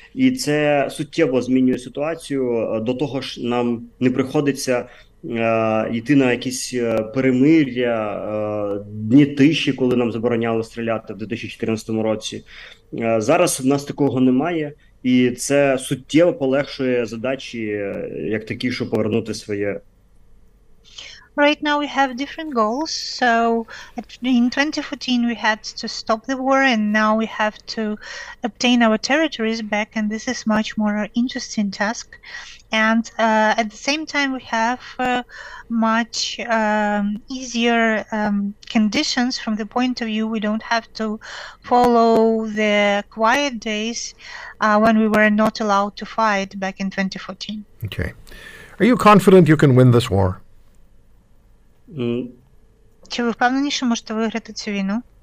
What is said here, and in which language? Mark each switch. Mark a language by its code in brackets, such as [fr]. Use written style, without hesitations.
[uk] І це суттєво змінює ситуацію. До того ж, нам не приходиться йти на якісь перемир'я, дні тиші, коли нам забороняли стріляти в 2014 році. Зараз в нас такого немає. І це суттєво полегшує задачі, як такі, що повернути своє. [en] Right now we have different goals. So in 2014 we had to stop the war, and now we have to obtain our territories back, and this is much more interesting task. And at the same time we have much easier conditions from the point of view we don't have to follow the quiet days when we were not allowed to fight back in 2014. Okay. Are you confident you can win this war? [uk] Чи ви впевнені, що можете виграти цю війну?